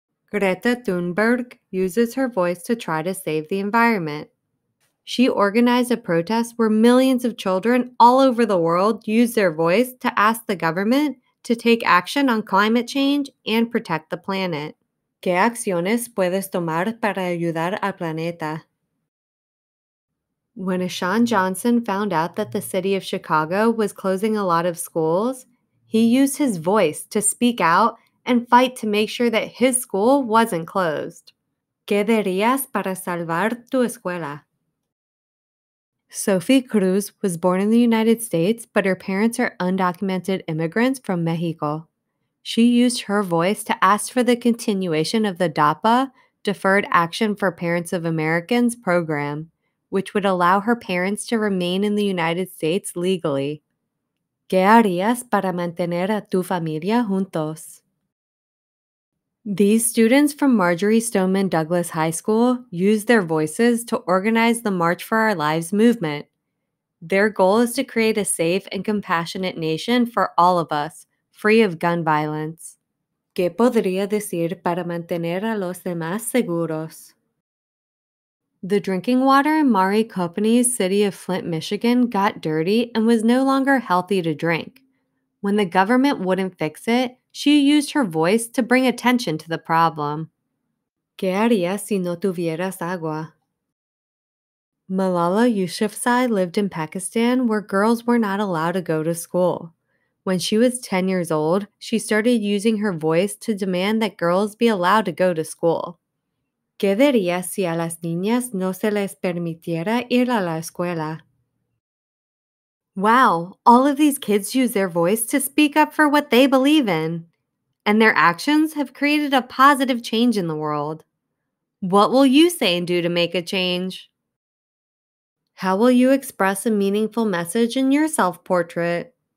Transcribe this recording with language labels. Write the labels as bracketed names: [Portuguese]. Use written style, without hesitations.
[English] Greta Thunberg uses her voice to try to save the environment. She organized a protest where millions of children all over the world use their voice to ask the government to take action on climate change and protect the planet. [Spanish] ¿Qué acciones puedes tomar para ayudar al planeta? [English] When Ashan Johnson found out that the city of Chicago was closing a lot of schools, he used his voice to speak out and fight to make sure that his school wasn't closed. [Spanish] ¿Qué dirías para salvar tu escuela? [English] Sophie Cruz was born in the United States, but her parents are undocumented immigrants from Mexico. She used her voice to ask for the continuation of the DAPA, Deferred Action for Parents of Americans, program, which would allow her parents to remain in the United States legally. [Spanish] ¿Qué harías para mantener a tu familia juntos? [English] These students from Marjory Stoneman Douglas High School used their voices to organize the March for Our Lives movement. Their goal is to create a safe and compassionate nation for all of us, free of gun violence. [Spanish] ¿Qué podría decir para mantener a los demás seguros? [English] The drinking water in Maury Company's city of Flint, Michigan got dirty and was no longer healthy to drink. When the government wouldn't fix it, she used her voice to bring attention to the problem. [Spanish] ¿Qué harías si no tuvieras agua? [English] Malala Yousafzai lived in Pakistan where girls were not allowed to go to school. When she was 10 years old, she started using her voice to demand that girls be allowed to go to school. [Spanish] ¿Qué dirías si a las niñas no se les permitiera ir a la escuela? [English] Wow, all of these kids use their voice to speak up for what they believe in. And their actions have created a positive change in the world. What will you say and do to make a change? How will you express a meaningful message in your self-portrait?